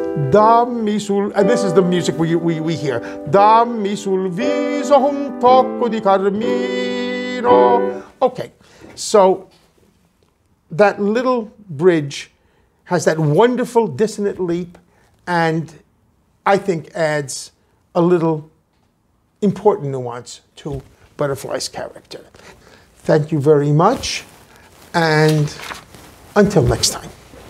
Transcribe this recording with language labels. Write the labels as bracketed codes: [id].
[it] Dammi sul, [en] and this is the music we hear. [it] Dammi sul viso un tocco di carmino. [en] Okay, so that little bridge has that wonderful dissonant leap, and I think adds a little important nuance to Butterfly's character. Thank you very much, and until next time.